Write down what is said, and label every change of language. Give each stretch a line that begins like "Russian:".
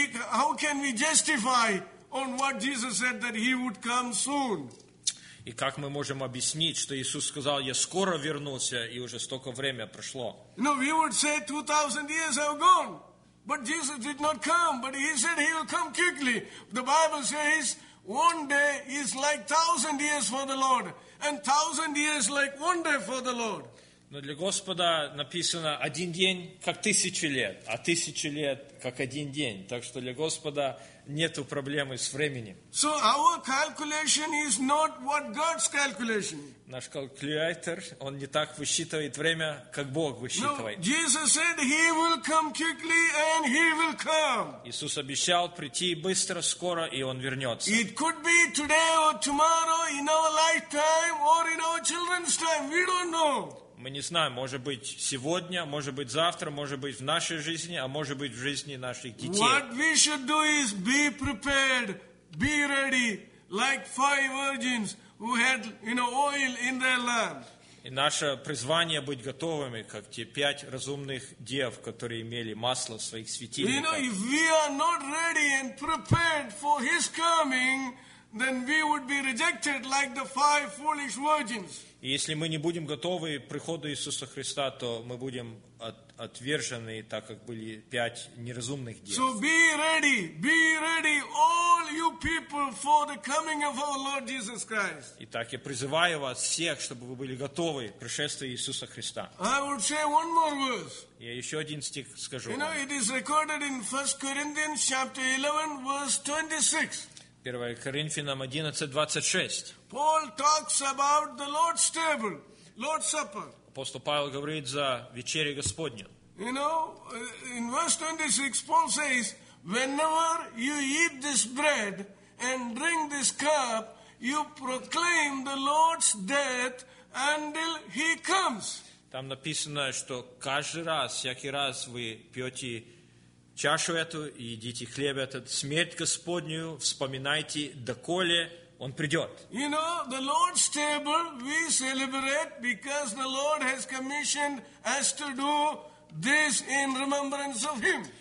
English: How can we justify on what Jesus said that he would come soon?
Russian: И как мы можем объяснить, что Иисус сказал, я скоро вернусь, и уже столько времени прошло?
English: No, we would say 2,000 years have gone. But Jesus did not come, but he said he will come quickly. The Bible says one day is like 1,000 years for the Lord, and 1,000 years like one day for the Lord.
Russian: Но для Господа написано один день как тысячу лет, а тысячу лет как один день. Так что для Господа нету проблемы с временем.
English: So our calculation is not what God's calculation.
Russian: Наш калькулятор, он не так высчитывает время, как Бог высчитывает.
English: No, Jesus said he will come quickly and he will come.
Russian: Иисус обещал прийти быстро, скоро, и он вернется.
English: It could be today or tomorrow in our lifetime or in our children's time. We don't know.
Russian: Мы не знаем, может быть сегодня, может быть завтра, может быть в нашей жизни, а может быть в жизни наших детей.
English: What we should do is be prepared, be ready, like five virgins who had, you know, oil in their lamp.
Russian: И наше призвание быть готовыми, как те пять разумных дев, которые имели масло в своих светильниках.
English: You know, if we are not ready and prepared for His coming, then we would be rejected like the five foolish virgins.
Russian: И если мы не будем готовы к приходу Иисуса Христа, то мы будем отвержены, так как были пять неразумных дев.
English: So be ready, all you people, for the coming of our Lord Jesus Christ.
Russian: Итак, я призываю вас всех, чтобы вы были готовы к пришествию Иисуса Христа.
English: I would say one more verse.
Russian: Я еще один стих скажу.
English: You know, it is recorded in 1 Corinthians chapter 11, verse 26.
Russian: 1 Коринфянам 11:26.
English: Paul talks about the Lord's table, Lord's supper.
Russian: Апостол Павел говорит за вечерю Господню.
English: You know, in verse 26, Paul says, whenever you eat this bread and drink this cup, you proclaim the Lord's death until he comes.
Russian: Там написано, что каждый раз, всякий раз вы пьете чашу эту и едите хлеб этот, смерть Господню вспоминайте, доколе Он придет.
English: You know, the Lord's table we celebrate because the Lord has commissioned us to do this in remembrance of Him.